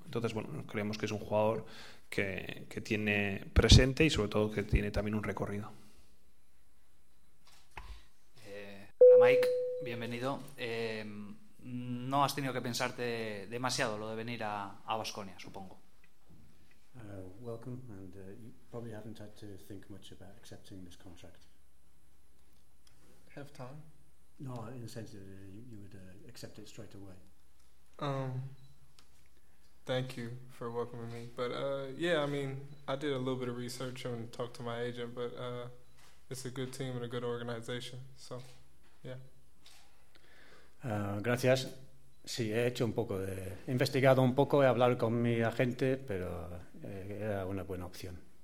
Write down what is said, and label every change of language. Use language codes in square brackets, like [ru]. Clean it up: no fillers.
[es] Entonces, bueno, creemos que es un jugador que tiene presente y sobre todo que tiene también un recorrido. Hola, Mike, bienvenido. No has tenido que pensarte demasiado lo de venir a Baskonia, supongo. [en] Welcome, and you probably haven't had to think much about accepting this contract. Have time? No, in the sense that you would accept it straight away. Thank you for welcoming me. But yeah, I mean, I did a little bit of research and talked to my agent, but it's a good team and a good organization, so yeah. [es] Gracias. Sí, he hecho un poco de... He investigado un poco, he hablado con mi agente, pero era una buena opción.